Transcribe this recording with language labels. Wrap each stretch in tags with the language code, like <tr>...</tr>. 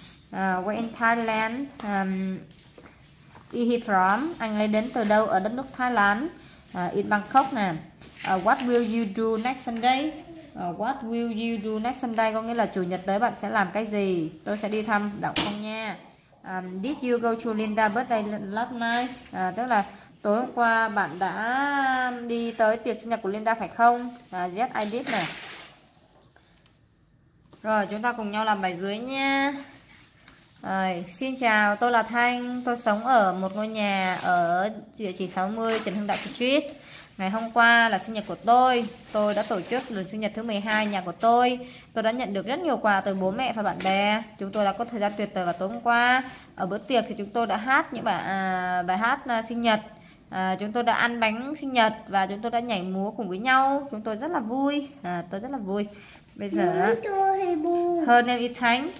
<en>Where in Thailand is he from?</en> <vi>Anh ấy đến từ đâu? Ở đất nước Thái Lan.</vi> <en>In Bangkok nè. What will you do next Sunday? What will you do next Sunday?</en> <vi>Có nghĩa là chủ nhật tới bạn sẽ làm cái gì? Tôi sẽ đi thăm đọc không nha.</vi> <en>Did you go to Linda's birthday last night?</en> <vi>Tức là tối hôm qua bạn đã đi tới tiệc sinh nhật của Linda phải không?</vi> <en>Yes, I did</en> <vi>nè. Rồi, chúng ta cùng nhau làm bài dưới nha. Rồi, xin chào, tôi là Thanh. Tôi sống ở một ngôi nhà ở địa chỉ 60 Trần Hưng Đạo Street. Ngày hôm qua là sinh nhật của tôi. Tôi đã tổ chức lần sinh nhật thứ 12 nhà của tôi. Tôi đã nhận được rất nhiều quà từ bố mẹ và bạn bè. Chúng tôi đã có thời gian tuyệt vời vào tối hôm qua. Ở bữa tiệc thì chúng tôi đã hát những bài hát sinh nhật. Chúng tôi đã ăn bánh sinh nhật và chúng tôi đã nhảy múa cùng với nhau. Chúng tôi rất là vui. Tôi rất là vui. Bây giờ</vi> <en>her name is Thanh.</en>